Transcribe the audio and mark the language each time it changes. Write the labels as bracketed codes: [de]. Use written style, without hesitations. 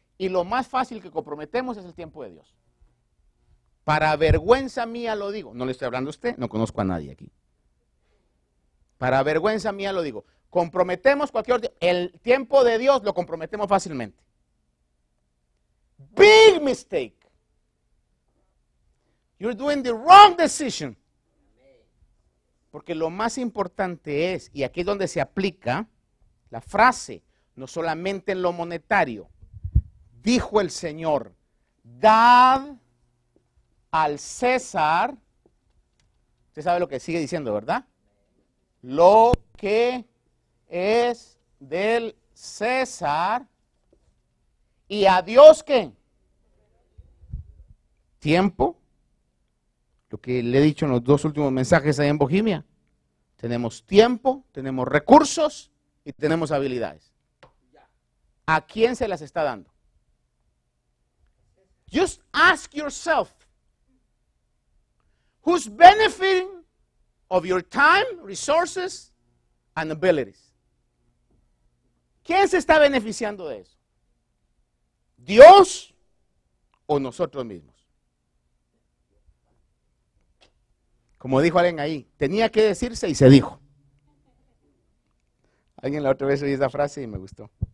[es] Y lo más fácil que comprometemos es el tiempo de Dios. Para vergüenza mía lo digo. No le estoy hablando a usted, no conozco a nadie aquí. Para vergüenza mía lo digo. Comprometemos cualquier otro tiempo. El tiempo de Dios lo comprometemos fácilmente. [en] Big mistake. You're doing the wrong decision. [es] Porque lo más importante es, y aquí es donde se aplica la frase, no solamente en lo monetario. Dijo el Señor, dad al César, usted sabe lo que sigue diciendo, ¿verdad? Lo que es del César, y a Dios, ¿qué? Tiempo. Lo que le he dicho en los 2 últimos mensajes ahí en Bohemia. Tenemos tiempo, tenemos recursos y tenemos habilidades. ¿A quién se las está dando? [en] Just ask yourself. Who's benefiting of your time, resources and abilities? [es] ¿Quién se está beneficiando de eso? ¿Dios o nosotros mismos? Como dijo alguien ahí, tenía que decirse y se dijo. Alguien la otra vez oí esa frase y me gustó.